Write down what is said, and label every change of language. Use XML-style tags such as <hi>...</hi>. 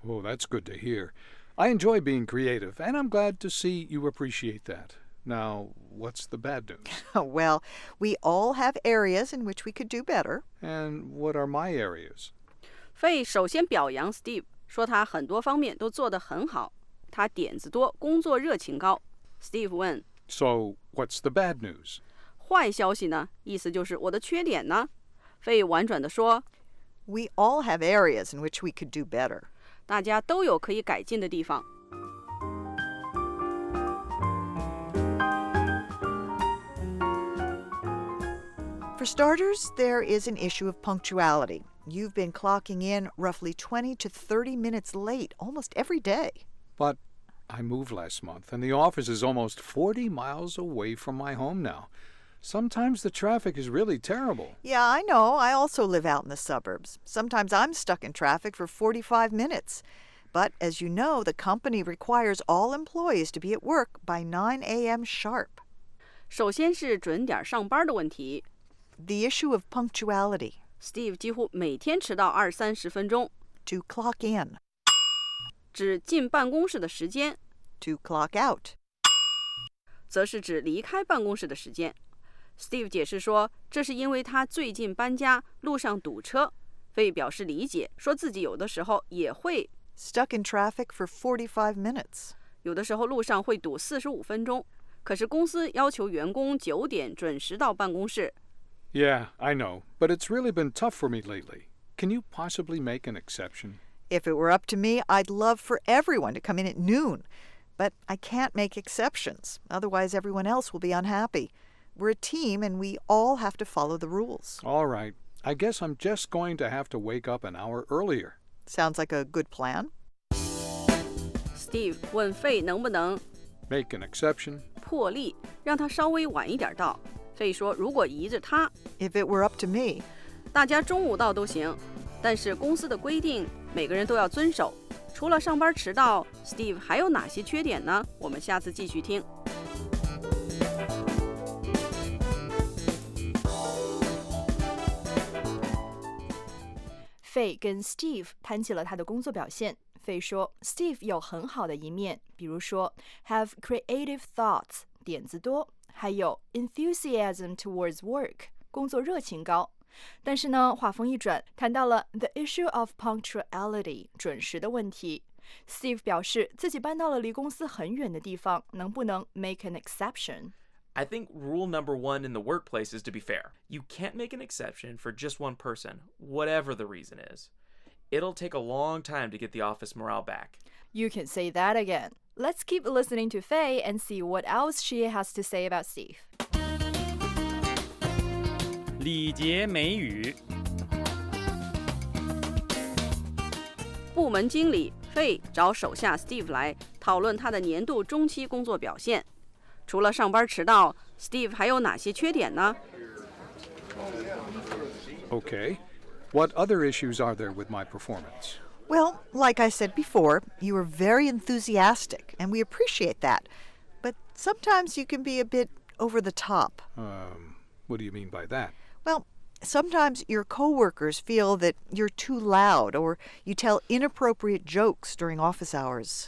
<en>Oh, that's good to hear. I enjoy being creative, and I'm glad to see you appreciate that. Now, what's the bad news? Well, we all have areas in which we could do better. And what are my areas?</en> <zh>费首先表扬 Steve, 说他很多方面都做得很好。他点子多，工作热情高。Steve 问</zh> <en>So, what's the bad news?</en> <zh>坏消息呢？意思就是我的缺点呢？费婉转地说</zh> <en>We all have areas in which we could do better.</en> <zh>大家都有可以改进的地方。</zh> <en>For starters, there is an issue of punctuality. You've been clocking in roughly 20 to 30 minutes late almost every day. But I moved last month, and the office is almost 40 miles away from my home now. Sometimes the traffic is really terrible. Yeah, I know. I also live out in the suburbs. Sometimes I'm stuck in traffic for 45 minutes. But as you know, the company requires all employees to be at work by 9 a.m. sharp.</en> <zh>首先是准点上班的问题。</zh> <en>The issue of punctuality.</en> <zh>Steve 几乎每天迟到二三十分钟。</zh> <en>To clock in.</en> <zh>指进办公室的时间。</zh> <en>To clock out.</en> <zh>则是指离开办公室的时间。Steve 解释说，这是因为他最近搬家，路上堵车。费表示理解，说自己有的时候也会</zh> <en>stuck in traffic for 45 minutes.</en> <zh>有的时候路上会堵45分钟。可是公司要求员工九点准时到办公室。</zh> <en>Yeah, I know, but it's really been tough for me lately. Can you possibly make an exception? If it were up to me, I'd love for everyone to come in at noon. But I can't make exceptions, otherwise everyone else will be unhappy. We're a team and we all have to follow the rules. All right, I guess I'm just going to have to wake up an hour earlier. Sounds like a good plan.</en> <zh>Steve 问费能不能</zh> <en>make an exception,</en> <zh>破例让他稍微晚一点到。费说如果移着他</zh> <en>if it were up to me,</en> <zh>大家中午到都行，但是公司的规定每个人都要遵守。除了上班迟到， Steve 还有哪些缺点呢？我们下次继续听。费跟 Steve 谈起了他的工作表现。费说 Steve 有很好的一面，比如说</zh> <en>have creative thoughts,</en> <zh>点子多，还有</zh> <en>enthusiasm towards work,</en> <zh>工作热情高。但是呢，话锋一转，谈到了</zh> <en>the issue of punctuality,</en> <zh>准时的问题。 Steve 表示自己搬到了离公司很远的地方，能不能</zh> <en>make an exception? I think rule number one in the workplace is to be fair. You can't make an exception for just one person, whatever the reason is. It'll take a long time to get the office morale back. You can say that again. Let's keep listening to Faye and see what else she has to say about Steve.</en> <zh>礼节美语。部门经理Faye找手下Steve来讨论他的年度中期工作表现。除了上班迟到 ,Steve 还有哪些缺点呢?</zh> <en>Okay, what other issues are there with my performance? Well, like I said before, you are very enthusiastic, and we appreciate that. But sometimes you can be a bit over the top. What do you mean by that? Well, sometimes your coworkers feel that you're too loud, or you tell inappropriate jokes during office hours.</en>